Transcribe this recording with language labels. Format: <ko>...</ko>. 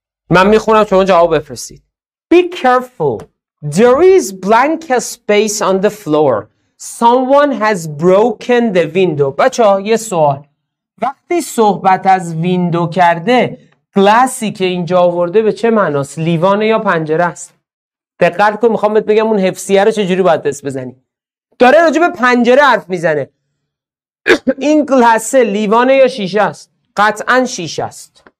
<fa>من میخونم شما جواب بفرستید.</fa> <en>Be careful. There is blank space on the floor. Someone has broken the window.</en> <fa>بچه ها یه سوال. وقتی صحبت از ویندو کرده، گلاسی که اینجا آورده به چه معناست؟ لیوانه یا پنجره است؟ دقت کن، میخوام بهت بگم اون حفظیه رو چجوری باید دست بزنی. داره راجع به پنجره حرف میزنه. این گلاسه لیوانه یا شیشه است؟ قطعا شیشه است.</fa>